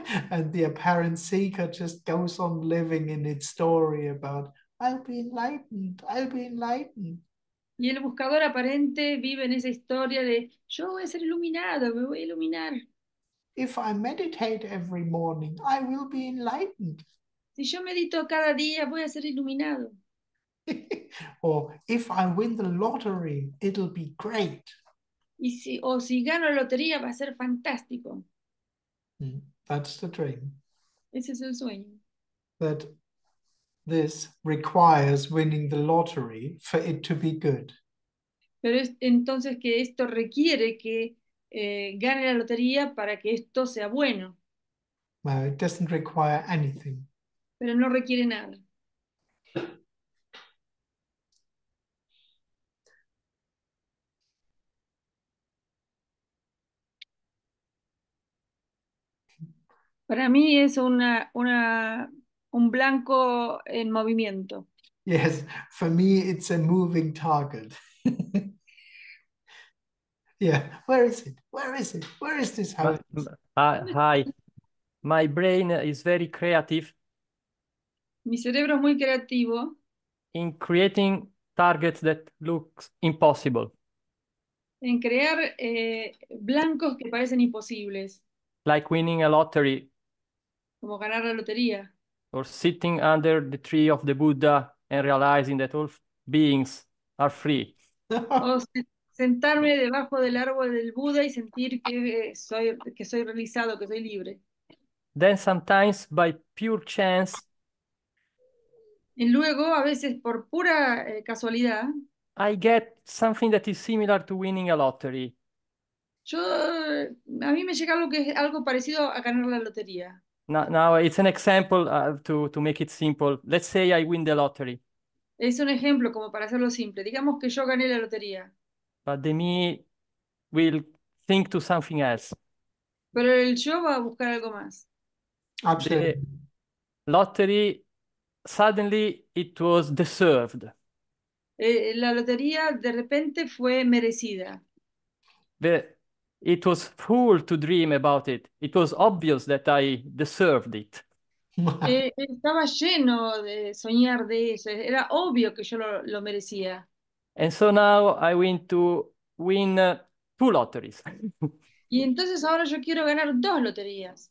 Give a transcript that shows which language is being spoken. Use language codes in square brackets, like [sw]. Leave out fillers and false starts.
[en] And the apparent seeker just goes on living in its story about, I'll be enlightened, I'll be enlightened. [es] Y el buscador aparente vive en esa historia de yo voy a ser iluminado, me voy a iluminar. [en] If I meditate every morning, I will be enlightened. [es] Si yo medito cada día, voy a ser iluminado. [en] Or if I win the lottery, it'll be great. [es] Y si, o si gano la lotería, va a ser fantástico. [en] That's the dream. [es] Ese es el sueño. [en] That this requires winning the lottery for it to be good. [es] Pero es entonces que esto requiere que gane la lotería para que esto sea bueno. [en] No, it doesn't require anything. [es] Pero no requiere nada. Para mí es un blanco en movimiento. [en] Yes, for me it's a moving target. Yeah, where is it? Where is it? Where is this happening? Hi, my brain is very creative. [es] Mi cerebro es muy creativo. [en] In creating targets that look impossible. [es] En crear blancos que parecen imposibles. [en] Like winning a lottery. [es] Como ganar la lotería. [en] Or sitting under the tree of the Buddha and realizing that all beings are free. [es] O sentarme debajo del árbol del Buda y sentir que soy realizado, que soy libre. [en] Then sometimes by pure chance. [es] Y luego, a veces por pura casualidad. [en] I get something that is similar to winning a lottery. [es] A mí me llega algo que es algo parecido a ganar la lotería. [en] Now it's an example to make it simple. Let's say I win the lottery. [es] Es un ejemplo como para hacerlo simple. Digamos que yo gané la lotería. [en] But the me will think to something else. [es] Pero el yo va a buscar algo más. [en] Absolutely. The lottery, suddenly it was deserved. [es] La lotería de repente fue merecida. [en] It was fool to dream about it. It was obvious that I deserved it. [es] Estaba lleno de soñar de eso. Era obvio que yo lo merecía. [en] And so now I want to win two lotteries. [es] Y entonces ahora yo quiero ganar dos loterías.